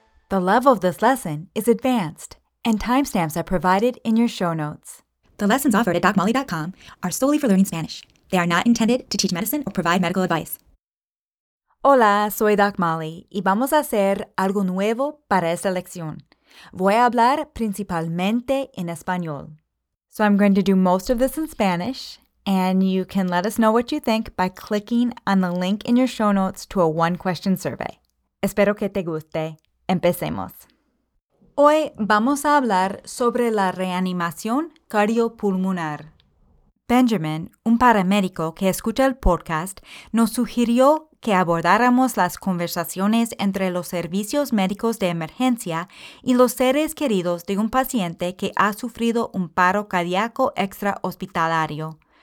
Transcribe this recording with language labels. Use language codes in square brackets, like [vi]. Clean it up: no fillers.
[en] The level of this lesson is advanced, and timestamps are provided in your show notes. The lessons offered at DocMolly.com are solely for learning Spanish. They are not intended to teach medicine or provide medical advice. [es] Hola, soy Doc Molly, y vamos a hacer algo nuevo para esta lección. Voy a hablar principalmente en español. [en] So I'm going to do most of this in Spanish, and you can let us know what you think by clicking on the link in your show notes to a one-question survey. [es] Espero que te guste. Empecemos. Hoy vamos a hablar sobre la reanimación cardiopulmonar. Benjamin, un paramédico que escucha el podcast, nos sugirió que abordáramos las conversaciones entre los servicios médicos de emergencia y los seres queridos de un paciente que ha sufrido un paro cardíaco extrahospitalario.